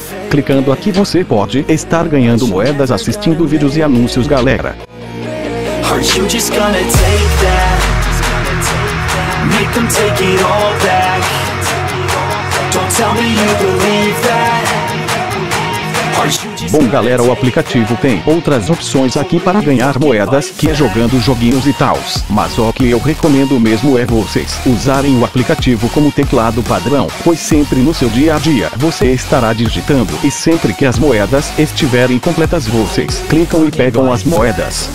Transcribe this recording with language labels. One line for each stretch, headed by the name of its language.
Portuguese: Clicando aqui você pode estar ganhando moedas assistindo vídeos e anúncios, galera.
English: Aren't you just gonna take that? Make them take it all back. Don't tell me you believe that.
Portuguese: Bom galera, o aplicativo tem outras opções aqui para ganhar moedas, que é jogando joguinhos e tals. Mas o que eu recomendo mesmo é vocês usarem o aplicativo como teclado padrão, pois sempre no seu dia a dia você estará digitando. E sempre que as moedas estiverem completas, vocês clicam e pegam as moedas.